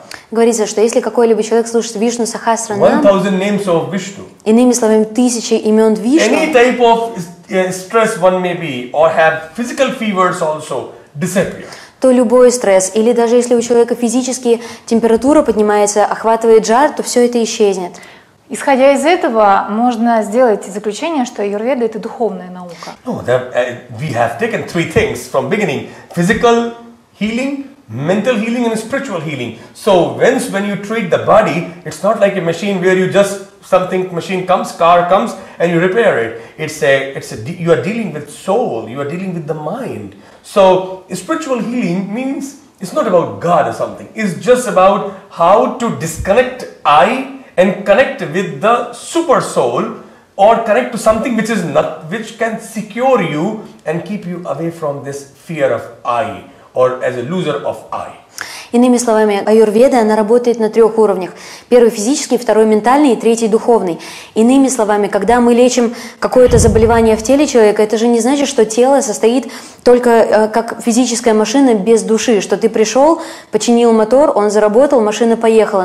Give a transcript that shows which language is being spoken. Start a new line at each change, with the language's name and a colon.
Russian: Говорится, что если какой-либо человек слушает Вишну Сахасранам, иными словами, тысячи имен Вишну,
English: any type of stress one may be, or have physical fevers also disappear.
Russian: То любой стресс, или даже если у человека физически температура поднимается, охватывает жар, то все это исчезнет. Исходя из этого, можно сделать заключение, что аюрведа — это духовная наука.
English: No, that, we have taken three things from beginning. Physical healing, mental healing and spiritual healing. So, once when you treat the body, it's not like a machine where you just something, machine comes, car comes and you repair it. You are dealing with soul, you are dealing with the mind. So spiritual healing means it's not about God or something. It's just about how to disconnect I and connect with the super soul or connect to something which is not, which can secure you and keep you away from this fear of I or as a loser of I.
Russian: Иными словами, аюрведа, она работает на трех уровнях. Первый физический, второй ментальный и третий духовный. Иными словами, когда мы лечим какое-то заболевание в теле человека, это же не значит, что тело состоит только как физическая машина без души, что ты пришел, починил мотор, он заработал, машина поехала.